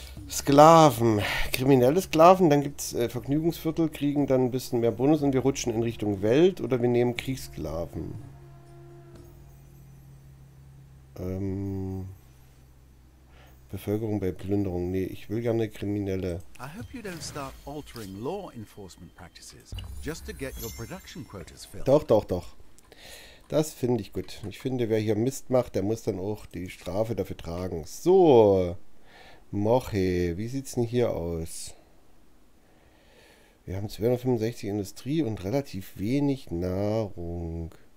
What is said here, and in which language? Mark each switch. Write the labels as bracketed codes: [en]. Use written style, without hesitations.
[de] Sklaven, kriminelle Sklaven, dann gibt es Vergnügungsviertel, kriegen dann ein bisschen mehr Bonus und wir rutschen in Richtung Welt oder wir nehmen Kriegssklaven. Bevölkerung bei Plünderung, nee, ich will gerne Kriminelle. [en] I hope you don't start altering law enforcement practices just to get your production quotas filled. [de] Doch, doch, doch. Das finde ich gut. Ich finde, wer hier Mist macht, der muss dann auch die Strafe dafür tragen. So. Moche, wie sieht's denn hier aus? Wir haben 265 Industrie und relativ wenig Nahrung.